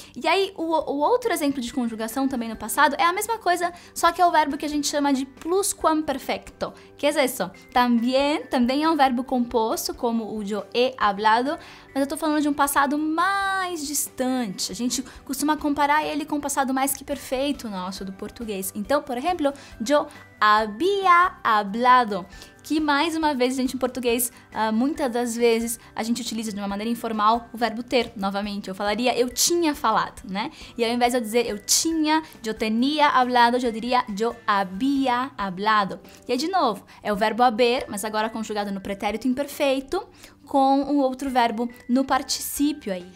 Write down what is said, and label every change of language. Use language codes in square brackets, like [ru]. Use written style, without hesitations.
[pt] E aí, o outro exemplo de conjugação também no passado é a mesma coisa, só que é o verbo que a gente chama de pluscuamperfecto. Que é isso? Também é um verbo composto, como o [es] yo he hablado, [pt] mas eu tô falando de um passado mais distante. A gente costuma comparar ele com o passado mais que perfeito nosso, do português. Então, por exemplo, [es] yo había hablado. [pt] Que, mais uma vez, gente, em português, muitas das vezes, a gente utiliza de uma maneira informal o verbo ter, novamente. Eu falaria, eu tinha falado, né? E ao invés de eu dizer, eu tinha, [es] yo tenía hablado, [pt] eu diria, [es] yo había hablado. [pt] E aí, de novo, é o verbo haber, mas agora conjugado no pretérito imperfeito, com um outro verbo no particípio aí.